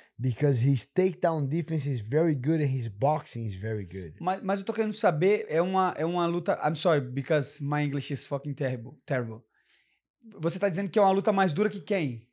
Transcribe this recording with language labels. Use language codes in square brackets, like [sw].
[en] Because his takedown defense is very good and his boxing is very good. [pt] Mas eu tô querendo saber, é uma luta. [en] I'm sorry, because my English is fucking terrible. [pt] Você tá dizendo que é uma luta mais dura que quem?